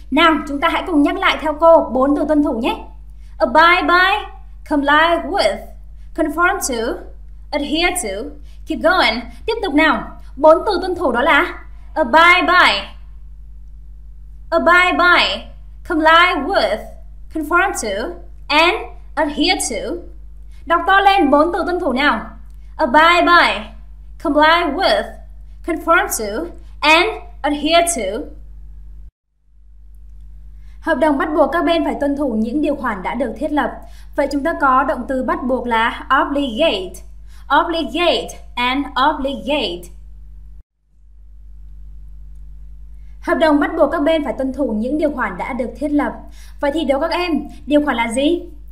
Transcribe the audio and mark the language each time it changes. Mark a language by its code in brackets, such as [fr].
[vi] Nào, chúng ta hãy cùng nhắc lại theo cô 4 từ tuân thủ nhé. [en] Abide by, comply with, conform to, adhere to. Keep going. [vi] Tiếp tục nào. 4 từ tuân thủ đó là [en] abide by, abide by, comply with, conform to and adhere to. [vi] Đọc to lên 4 từ tuân thủ nào. [en] Abide by, comply with, conform to and adhere to. [vi] Hợp đồng bắt buộc các bên phải tuân thủ những điều khoản đã được thiết lập. Vậy chúng ta có động từ bắt buộc là obligate. [en] Obligate and obligate. [vi] Hợp đồng bắt buộc các bên phải tuân thủ những điều khoản đã được thiết lập. Vậy thì đố các em, điều khoản là gì?